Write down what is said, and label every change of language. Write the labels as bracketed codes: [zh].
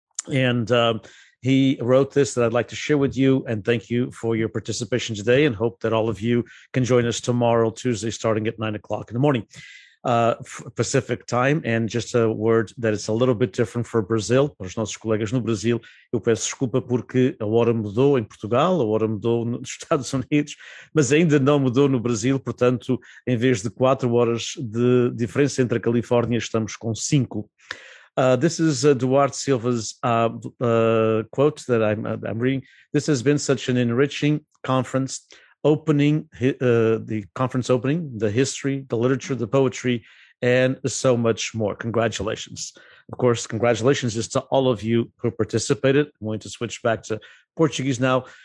[en] And he wrote this that I'd like to share with you, and thank you for your participation today, and hope that all of you can join us tomorrow, Tuesday, starting at 9 o'clock in the morning, Pacific time. And just a word that it's a little bit different for Brazil, [pt] para os nossos colegas no Brasil. Eu peço desculpa porque a hora mudou em Portugal, a hora mudou nos Estados Unidos, mas ainda não mudou no Brasil. Portanto, em vez de 4 horas de diferença entre a Califórnia, estamos com 5. [en] This is Duarte Silva's quote that I'm reading. This has been such an enriching conference, opening the conference opening, the history, the literature, the poetry, and so much more. Congratulations. Of course, congratulations is to all of you who participated. I'm going to switch back to Portuguese now.